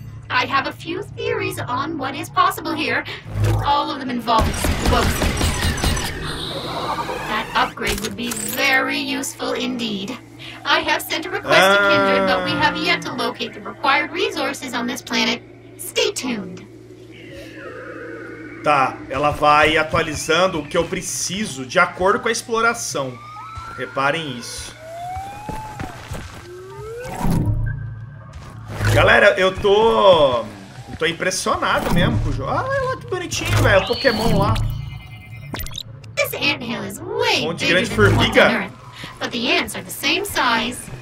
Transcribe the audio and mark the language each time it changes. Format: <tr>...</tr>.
<en>I have a few theories on what is possible here. All of them involve explosives. Upgrade would be very useful indeed. I have sent a request to Kindred, but we have yet to locate the required resources on this planet. Stay tuned.</en> <pt>Tá, ela vai atualizando o que eu preciso de acordo com a exploração. Reparem isso. Galera, eu tô impressionado mesmo com o jogo. Ah, olha que bonitinho, velho, Pokémon lá.</pt> <en>Ant hill is way bigger than the ones on Earth, but the ants are the same size.</en>